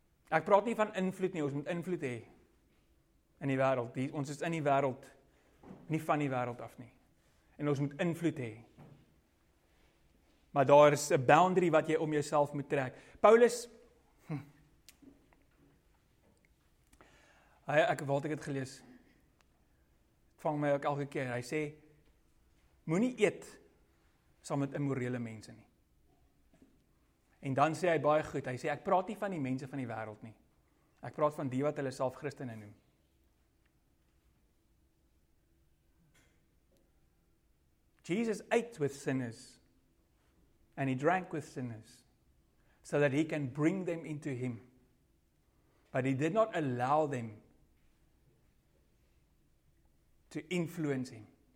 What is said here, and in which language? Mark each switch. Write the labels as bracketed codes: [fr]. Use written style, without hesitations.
[af] Ek praat nie van invloed nie, ons moet invloed hê in die wêreld. Ons is in die wêreld, nie van die wêreld af nie. En ons moet invloed hê. Maar daar is 'n boundary wat jy om jouself moet trek. Paulus Ek het dit gelees. Het vang my ook elke keer. Hy sê moenie eet saam met immorele mense nie. En dan sê hy baie goed. Hy sê ek praat nie van die mense van die wêreld nie. Ek praat van die wat hulle self Christene noem. [en] Jesus ate with sinners and he drank with sinners so that he can bring them into him. But he did not allow them to influence him.